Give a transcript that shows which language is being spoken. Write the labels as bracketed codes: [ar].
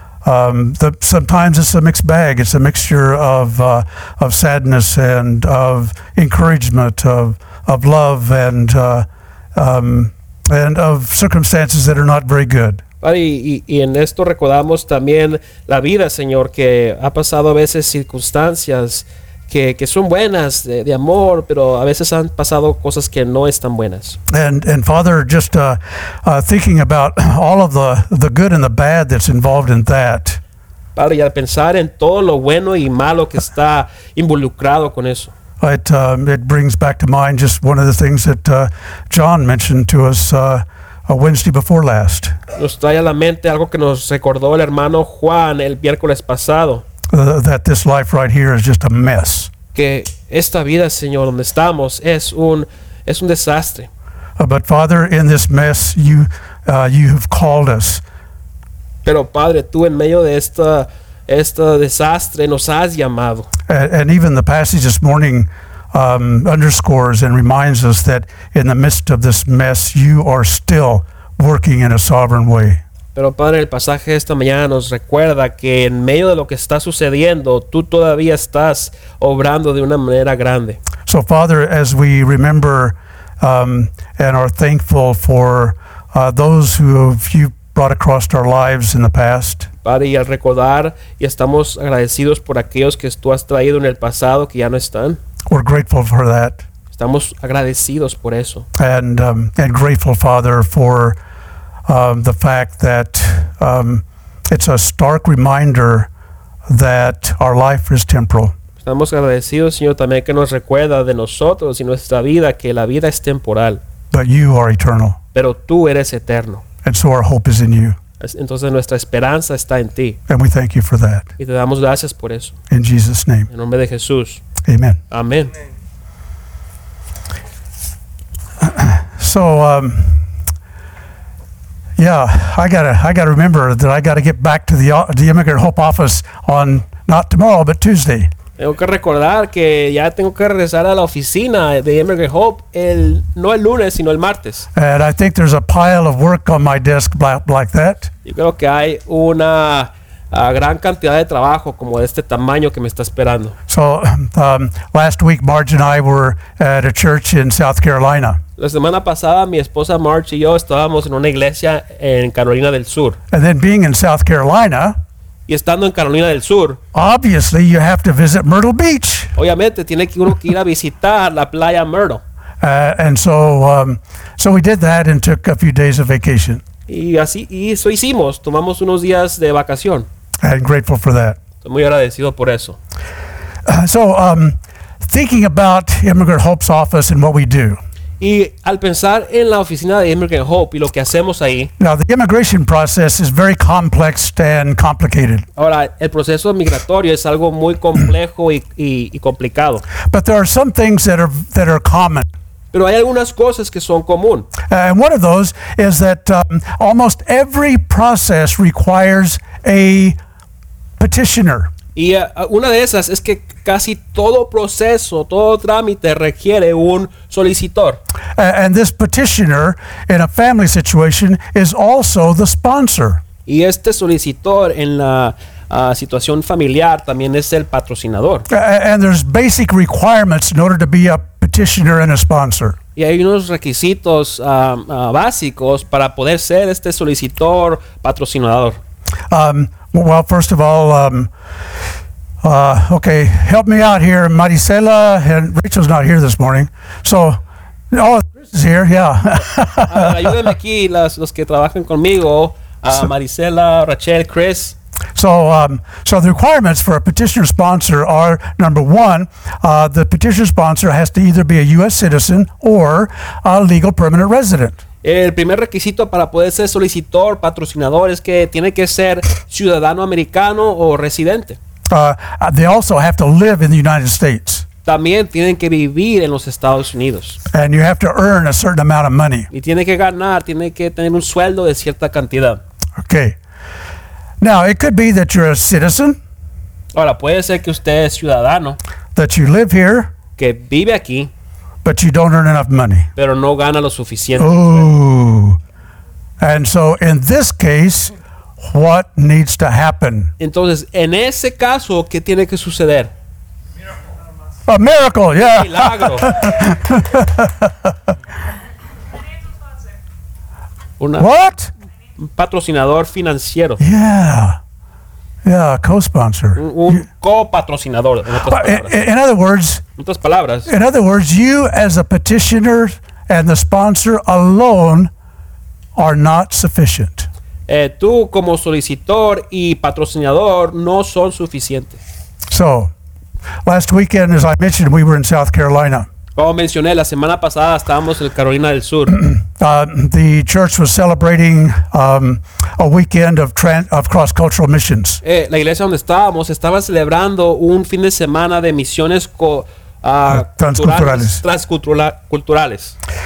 [en] Sometimes it's a mixed bag. It's a mixture of sadness and of encouragement, of love, and of circumstances that are not very good. [es] Padre, y en esto recordamos también la vida, Señor, que ha pasado a veces circunstancias que son buenas de amor, pero a veces han pasado cosas que no están buenas. [en] And Father, just thinking about all of the good and the bad that's involved in that. [es] Padre, y al pensar en todo lo bueno y malo que está involucrado con eso. [en] It brings back to mind just one of the things that John mentioned to us a Wednesday before last. [es] Nos trae a la mente algo que nos recordó el hermano Juan el miércoles pasado. [en] That this life right here is just a mess. [es] Que esta vida, Señor, donde estamos es un desastre. [en] But Father, in this mess, you have called us. [es] Pero Padre, tú en medio de este desastre nos has llamado. [en] And even the passage this morning underscores and reminds us that in the midst of this mess, you are still working in a sovereign way. [es] Pero Padre, el pasaje de esta mañana nos recuerda que en medio de lo que está sucediendo, tú todavía estás obrando de una manera grande. [en] So Father, as we remember and are thankful for those who you brought across our lives in the past. [es] Padre, y al recordar y estamos agradecidos por aquellos que tú has traído en el pasado que ya no están. [en] We're grateful for that. [es] Estamos agradecidos por eso. [en] And grateful, Father, for the fact that it's a stark reminder that our life is temporal. [es] Estamos agradecidos, Señor, también que nos recuerda de nosotros y nuestra vida que la vida es temporal. [en] But you are eternal. [es] Pero tú eres eterno. [en] And so our hope is in you. [es] Entonces nuestra esperanza está en ti. [en] And we thank you for that. [es] Y te damos gracias por eso. [en] In Jesus' name. [es] En nombre de Jesús. [en] Amen. [es] Amén. [en] So, yeah, I gotta remember that I gotta get back to the Immigrant Hope office on not tomorrow but Tuesday. [es] Tengo que recordar que ya tengo que regresar a la oficina de Immigrant Hope no el lunes sino el martes. [en] And I think there's a pile of work on my desk like that. [es] Yo creo que hay una gran cantidad de trabajo como de este tamaño que me está esperando. [en] So last week Marge and I were at a church in South Carolina. [es] La semana pasada mi esposa Marge y yo estábamos en una iglesia en Carolina del Sur. [en] And then being in South Carolina, [es] y estando en Carolina del Sur, [en] obviously you have to visit Myrtle Beach. [es] Obviamente tiene que uno que ir a visitar la playa Myrtle. [en] And so we did that and took a few days of vacation. [es] Y eso hicimos, tomamos unos días de vacación. [en] I'm grateful for that. [es] Estoy muy agradecido por eso. [en] So thinking about Immigrant Hope's office and what we do. [es] Y al pensar en la oficina de Immigrant Hope y lo que hacemos ahí. [en] Now, the immigration process is very complex and complicated. [es] Ahora, el proceso migratorio es algo muy complejo y complicado. [en] But there are some things that are common. [es] Pero hay algunas cosas que son común. [en] And one of those is that almost every process requires a petitioner. [es] Y una de esas es que casi todo proceso, todo trámite requiere un solicitor. [en] And this petitioner in a family situation is also the sponsor. [es] Y este solicitor en la situación familiar también es el patrocinador. [en] And there's basic requirements in order to be a petitioner and a sponsor. [es] Y hay unos requisitos básicos para poder ser este solicitor patrocinador. [en] Well, first of all, okay, help me out here. Maricela and Rachel's not here this morning. So, oh, Chris is here, yeah. [es] Ayúdenme aquí, los que trabajan conmigo, Maricela, Rachel, Chris. [en] So the requirements for a petitioner sponsor are, number one, the petitioner sponsor has to either be a U.S. citizen or a legal permanent resident. [es] El primer requisito para poder ser solicitor, patrocinador, es que tiene que ser ciudadano americano o residente. [en] They also have to live in the United States. [es] También tienen que vivir en los Estados Unidos. [en] And you have to earn a certain amount of money. [es] Y tiene que ganar, tiene que tener un sueldo de cierta cantidad. [en] Okay. Now, it could be that you're a citizen. [es] Ahora, puede ser que usted es ciudadano. [en] That you live here. [es] Que vive aquí. [en] But you don't earn enough money. [es] Pero no gana lo suficiente. Ooh. [en] And so, in this case, what needs to happen? [es] Entonces, en ese caso, ¿qué tiene que suceder? [en] A miracle, yeah. [es] Milagro. [en] What? [es] Patrocinador financiero. [en] Yeah, co-sponsor. [es] Un co-patrocinador, en otras palabras. [en] In other words, you as a petitioner and the sponsor alone are not sufficient. [es] Tú como solicitor y patrocinador no son suficientes. [en] So, last weekend, as I mentioned, we were in South Carolina. [es] Como mencioné, la semana pasada estábamos en Carolina del Sur. [en] The church was celebrating a weekend of cross-cultural missions. [es] La iglesia donde estábamos estaba celebrando un fin de semana de misiones transculturales.